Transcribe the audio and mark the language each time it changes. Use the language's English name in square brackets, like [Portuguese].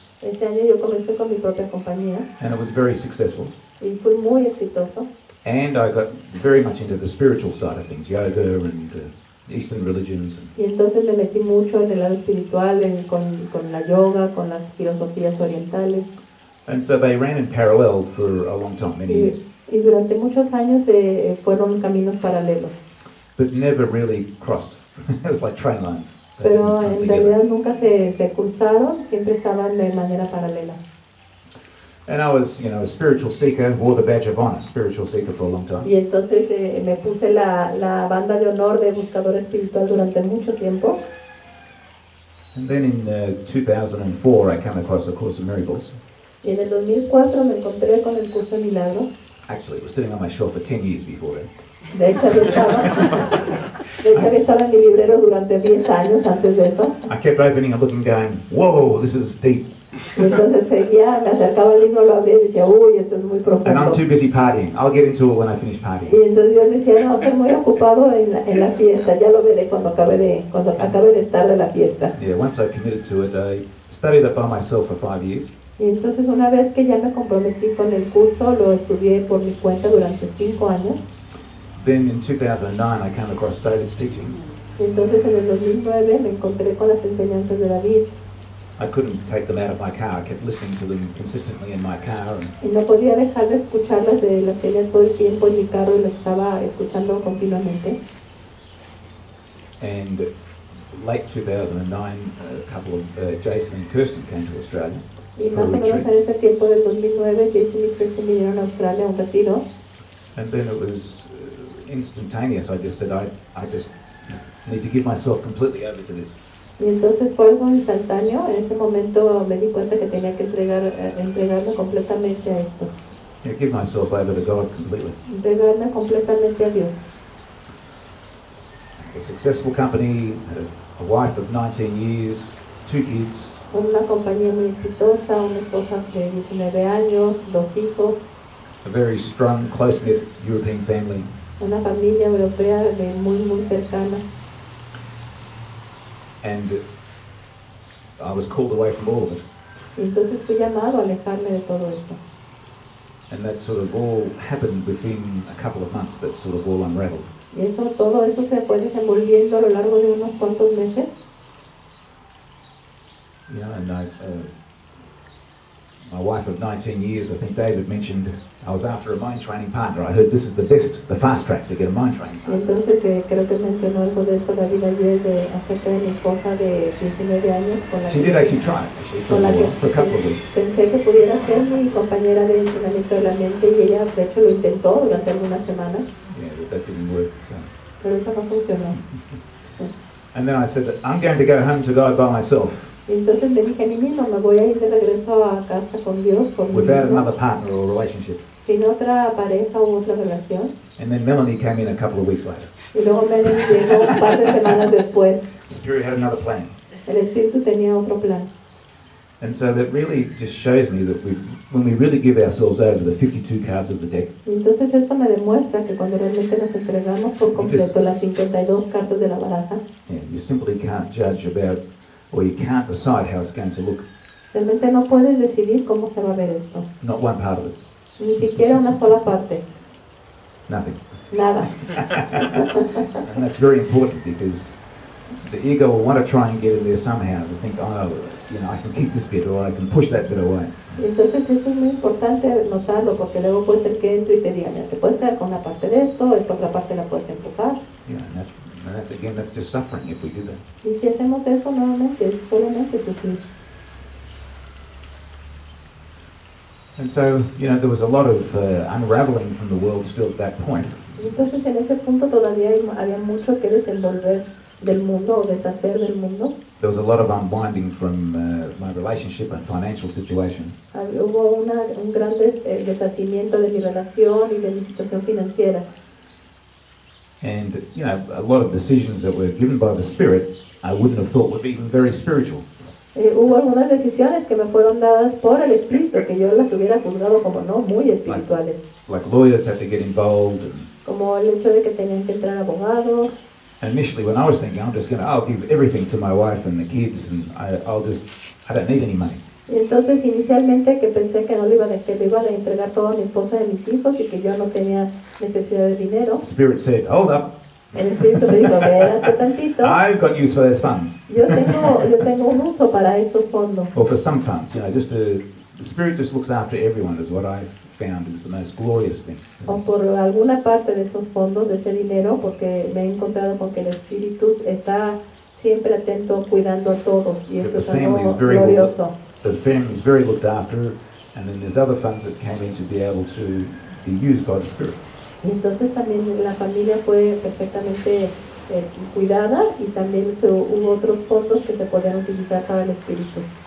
[Spanish] Ese año yo comencé con mi propia compañía. [English] And it was very successful. [Spanish] Y fui muy exitoso. [English] And I got very much into the spiritual side of things, yoga and Eastern religions. [Spanish] Y entonces me metí mucho en el lado espiritual, con la yoga, con las filosofías orientales. [English] And so they ran in parallel for a long time, many years. [Spanish] Y durante muchos años fueron caminos paralelos. [English] But never really crossed. It was like train lines. [Spanish] Pero en realidad nunca se cruzaron, siempre estaban de manera paralela. [English] And I was, a spiritual seeker, wore the badge of honor, spiritual seeker for a long time. [Spanish] Y entonces me puse la banda de honor de buscador espiritual durante mucho tiempo. [English] And then in 2004 I came across A Course in Miracles. [Spanish] Y en el 2004 me encontré con El Curso de Milagros. [English] Actually, it was sitting on my shelf for 10 years before then. [Spanish] De hecho, había estado en mi librero durante 10 años antes de eso. [English] I kept opening and looking, going, whoa, this is deep. [Spanish] Y entonces seguía, me acercaba al libro, lo abría y decía, uy, esto es muy profundo. [English] And I'm too busy partying. I'll get into it when I finish partying. [Spanish] Y entonces yo decía, no, estoy muy ocupado en la fiesta. Ya lo veré cuando acabe de estar de la fiesta. [English] Yeah, once I committed to it, I studied it by myself for 5 years. [Spanish] Y entonces una vez que ya me comprometí con el curso, lo estudié por mi cuenta durante 5 años. [English] Then in 2009, I came across David's teachings. [Spanish] Y entonces en el 2009 me encontré con las enseñanzas de David. [English] I couldn't take them out of my car. I kept listening to them consistently in my car. And [Spanish] no podía dejar de escucharlas, de las tenía todo el tiempo en mi carro y las estaba escuchando continuamente. [English] And late 2009, a couple of Jason and Kirsten came to Australia. [Spanish] Y más o menos en ese tiempo del 2009, Jason y Kirsten vinieron a Australia un retiro. [English] And then it was instantaneous. I just said, I just need to give myself completely over to this. [Spanish] Y entonces fue algo instantáneo. En ese momento me di cuenta que tenía que entregarme completamente a esto. [English] Yeah, give myself over to God completely. [Spanish] Entregarme completamente a Dios. [English] A successful company, a wife of 19 years, two kids. [Spanish] Una compañía muy exitosa, una esposa de 19 años, dos hijos. [English] A very strong, close-knit European family. [Spanish] Una familia europea de muy, muy cercana. [English] And I was called away from all of it. [Spanish] Entonces fui llamado a alejarme de todo eso. [English] And that sort of all happened within a couple of months, that sort of all unraveled. [Spanish] Y eso, todo eso se fue desenvolviendo a lo largo de unos cuantos meses. [English] Yeah, and I, my wife of 19 years, I think David mentioned, I was after a mind training partner. I heard this is the best, the fast track to get a mind training partner. [Spanish] Entonces, creo que mencionó algo de esto David ayer de acerca de mi esposa de 19 años. Con la [English] she [Spanish] que [English] did actually try it, actually, for a couple of weeks. [Spanish] Pensé que pudiera ser mi compañera de entrenamiento de la mente y ella, de hecho, lo intentó durante algunas semanas. [English] Yeah, but that didn't work. So. [Spanish] Pero eso no funcionó. [English] And then I said, I'm going to go home to God by myself. [Spanish] Entonces me dije a mí mismo, me voy a ir de regreso a casa con Dios, con [English] without [Spanish] mi mismo, [English] another partner or relationship. [Spanish] Sin otra pareja u otra relación. [English] And then Melanie came in a couple of weeks later. [Spanish] Y luego Melanie llegó un par de semanas después. [English] Spirit had another plan. [Spanish] El Espíritu tenía otro plan. [English] And so that really just shows me that when we really give ourselves over the 52 cards of the deck. [Spanish] Entonces esto me demuestra que cuando realmente nos entregamos por completo las 52 cartas de la baraja. [English] Yeah, you simply can't judge about, or you can't decide how it's going to look. [Spanish] Realmente no puedes decidir cómo se va a ver esto. [English] Not one part of it. [Spanish] Ni siquiera una sola parte. [English] Nothing. [Spanish] Nada. [English] And that's very important because the ego will want to try and get in there somehow to think, oh, you know, I can keep this bit or I can push that bit away. [Spanish] Entonces esto es muy importante notarlo porque luego puede ser que entre y te diga, te puedes quedar con una parte de esto, esta otra parte la puedes empujar. [English] Yeah, that, again, that's just suffering if we do that. [Spanish] Y si hacemos eso nuevamente, es solamente sufrir. [English] And so, you know, there was a lot of unraveling from the world still at that point. [Spanish] Entonces en ese punto todavía había mucho que desenvolver del mundo o deshacer del mundo. [English] There was a lot of unwinding from my relationship and financial situations. [Spanish] Hubo un gran deshacimiento de mi relación y de mi situación financiera. [English] And, you know, a lot of decisions that were given by the Spirit, I wouldn't have thought would be even very spiritual. [Spanish] Hubo algunas decisiones que me fueron dadas por el Espíritu que yo las hubiera juzgado como no muy espirituales. [English] Like lawyers have to get involved. And [Spanish] como el hecho de que tenían que entrar abogados. [English] Initially, when I was thinking, I'm just going to, I'll give everything to my wife and the kids, and I don't need any money. [Spanish] Y entonces, inicialmente, que pensé que no le iba a, que le iba a entregar todo a mi esposa y a mis hijos, y que yo no tenía necesidad de dinero. [English] Spirit said, hold up. [Spanish] El Espíritu me dijo, espérate tantito. [English] I've got use for those funds. [Spanish] Yo tengo un uso para esos fondos. [English] Or for some funds, you know, just the Spirit just looks after everyone, is what I found is the most glorious thing. [Spanish] O por alguna parte de esos fondos, de ese dinero, porque me he encontrado con que el Espíritu está siempre atento, cuidando a todos, y esto es algo glorioso. [English] The family is very looked after, and then there's other funds that came in to be able to be used by the Spirit. [Spanish] Entonces también la familia fue perfectamente cuidada, y también hubo otros fondos que se podían utilizar para el Espíritu.